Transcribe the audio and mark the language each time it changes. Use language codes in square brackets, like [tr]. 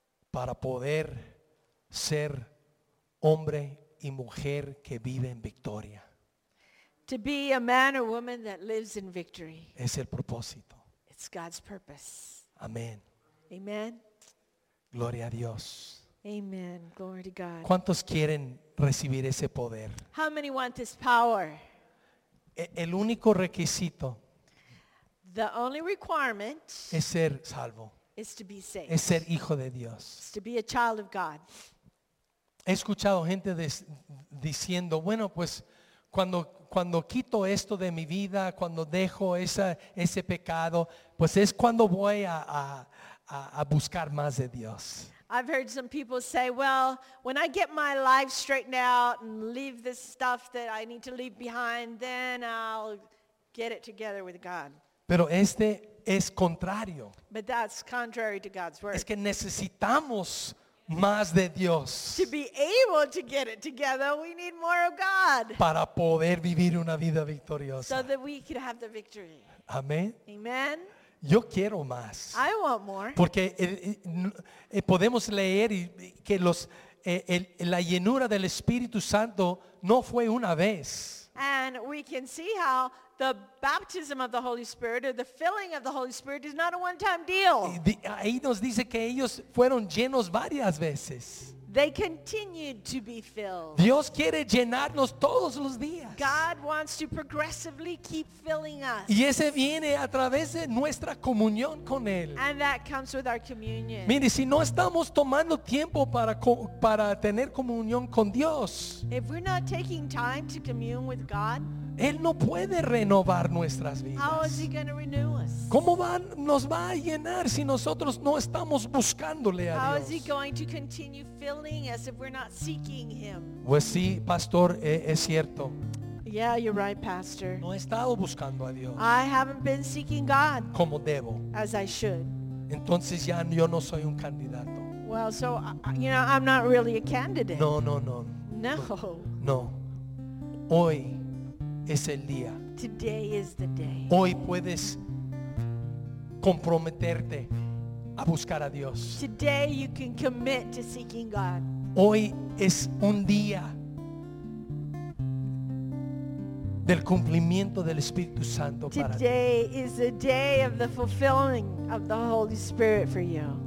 [es] Para poder ser hombre y mujer que vive en victoria. [en] To be a man or woman that lives in victory. [es] Es el propósito. [en] It's God's purpose. [es] Amén. [en] Amen. [es] Gloria a Dios. [en] Amen. Glory to God. [es] ¿Cuántos quieren recibir ese poder? [en] How many want this power? [es] El único requisito. [en] The only requirement. [es] Es ser salvo. [en] Is to be saved. [es] Es ser hijo de Dios. [en] Is to be a child of God. [es] He escuchado gente diciendo, bueno, pues cuando quito esto de mi vida, cuando dejo ese pecado, pues es cuando voy a buscar más de Dios. [en] I've heard some people say, well, when I get my life straightened out and leave this stuff that I need to leave behind, then I'll get it together with God. [es] Pero este es contrario. [en] But that's contrary to God's word. [es] Es que necesitamos más de Dios. [en] To be able to get it together, we need more of God. [es] Para poder vivir una vida victoriosa. [en] So that we could have the victory. [es] Amén. [en] Amen. [es] Yo quiero más. [en] I want more. [es] Porque podemos leer que la llenura del Espíritu Santo no fue una vez. [en] And we can see how the baptism of the Holy Spirit or the filling of the Holy Spirit is not a one-time deal. [es] Ahí nos dice que ellos fueron llenos varias veces. [en] They continued to be filled. [es] Dios quiere llenarnos todos los días. [en] God wants to progressively keep filling us. [es] Y ese viene a través de nuestra comunión con Él. [en] And that comes with our communion. [es] Mire, si no estamos tomando tiempo para tener comunión con Dios, [en] if we're not taking time to commune with God, [es] Él no puede renovar nuestras vidas. [en] How is he gonna renew us? [es] ¿Cómo nos va a llenar si nosotros no estamos buscándole a [en] How [es] Dios? [en] Is he going to continue filling us if we're not seeking him? [es] Pues sí, pastor, es cierto. [en] Yeah, you're right, pastor. [es] No he estado buscando a Dios. [en] I haven't been seeking God. [es] Como debo. [en] As I should. [es] Entonces ya yo no soy un candidato. [en] Well, so you know, I'm not really a candidate. [es] No, no, no. [en] No. [es] No. Hoy es el día. [en] Today is the day. [es] Hoy puedes comprometerte a buscar a Dios. [en] Today you can commit to seeking God. [es] Hoy es un día del cumplimiento del Espíritu Santo para ti. [en] Today is a day of the fulfilling of the Holy Spirit for you.